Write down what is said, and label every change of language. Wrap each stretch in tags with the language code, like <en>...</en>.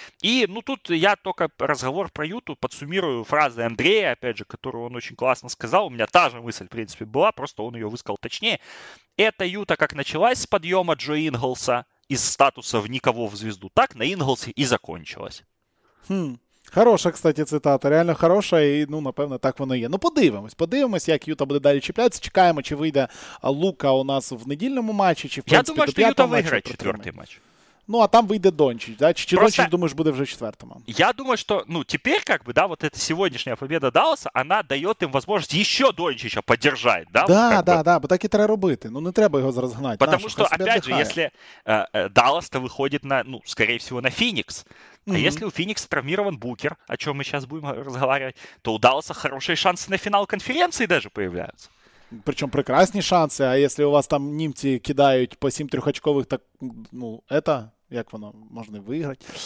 <ru>И, ну, тут я только разговор про Юту подсуммирую фразой Андрея, опять же, которую он очень классно сказал. У меня та же мысль, в принципе, была, просто он ее высказал точнее. Это Юта как началась с подъема Джо Инглса из статуса в никого в звезду, так на Инглсе и закончилась.</ru> <uk>Хм. Хороша, кстати, цитата. Реально хороша і, ну, напевно, так воно є. Ну, подивимось, як Юта буде далі чіплятися. Чекаємо, чи вийде Лука у нас в недільному матчі, чи, в принципі, до п'ятого матчу. Я думаю, що Юта виграє четвертий матч. Ну, а там вийде Дончич, да? Чи просто... Дончич, думаєш, буде вже четвертому? Я думаю, що, ну, тепер, як би, да,</uk> <ru>вот эта</ru> <uk>сьогоднішня победа Далласа, вона дає їм можливість ще Дончича підтримати, да? Да, вот, да, да, бо так і треба робити. Ну, не треба його розгнати.</uk> <ru>Потому наш, що, опять же, если Даллас-то виходить на, ну, скорее всего, на Феникс. А mm-hmm. если у Феникса травмирован Букер, о чем мы сейчас будем разговаривать, то у Далласа хорошие шансы на финал конференции даже появляются. Причем прекрасные шансы. А если у вас там немцы кидают по 7 трехочковых, так, ну, это, как оно, можно выиграть.</ru>